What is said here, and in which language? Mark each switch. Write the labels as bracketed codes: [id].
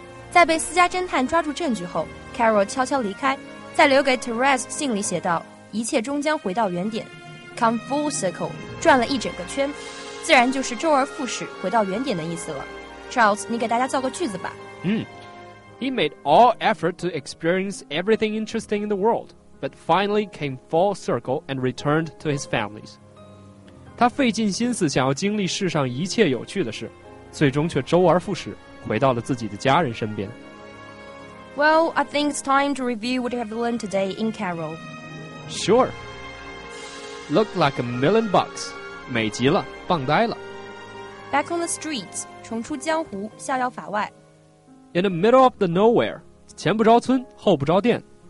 [zh] 在被私家侦探抓住证据后， Carol 悄悄离开，在留给 Therese 信里写道，一切终将回到原点， [en] come full circle， [zh] 转了一整个圈，自然就是周而复始，回到原点的意思了。 Charles， 你给大家造个句子吧。 [en] He made all effort to experience everything interesting in the world, but finally came full circle and returned to his families. [zh] 他费尽心思想要经历世上一切有趣的事，最终却周而复始，回到了自己的家人身边。 [en] Well, I think it's time to review what you have learned today in Carol. Sure. Look like $1,000,000. [zh] 美极了，棒呆了。 [en] Back on the streets, [zh] 重出江湖，逍遥法外。 [en] In the middle of the nowhere, [zh] 前不着村，后不着店。